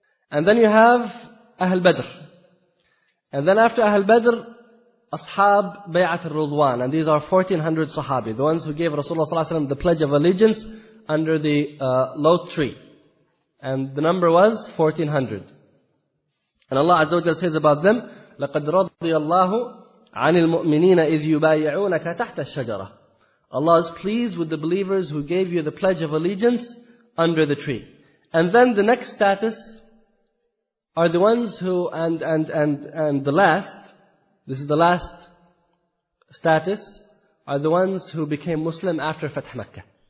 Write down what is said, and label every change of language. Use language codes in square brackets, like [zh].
[en] And then you have Ahl Badr. And then after Ahl Badr, Ashab Bay'at al-Ridwan. And these are 1400 Sahabi, the ones who gave Rasulullah sallallahu alayhi wa sallam the Pledge of Allegiance under the Lot tree. And the number was 1400. And Allah Azza wa Jalla says about them, [ar] لقد رضي الله عن المؤمنين إذ يبايعونك تحت الشجرة. [en] Allah is pleased with the believers who gave you the pledge of allegiance under the tree. And then the next status are the ones who, and the last, this is the last status, are the ones who became Muslim after Fath Makkah.